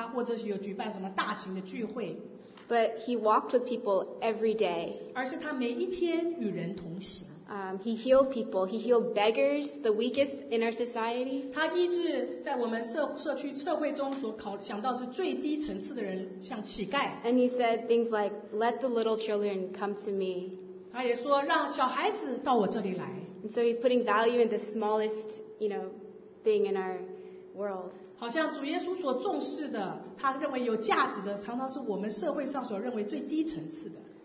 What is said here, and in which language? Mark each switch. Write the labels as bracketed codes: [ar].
[zh] 他并没有一个超级教会来支持他，或者是有举办什么大型的聚会。 [en] But he walked with people every day. [zh] 而是他每一天与人同行。 [en] He healed people. He healed beggars, the weakest in our society. [zh] 他医治在我们社区社会中所考想到是最低层次的人，像乞丐。 [en] And he said things like, "Let the little children come to me." [zh] 他也说让小孩子到我这里来。 [en] And so he's putting value in the smallest, you know, thing in our world. [zh] 好像主耶稣所重视的，他认为有价值的，常常是我们社会上所认为最低层次的。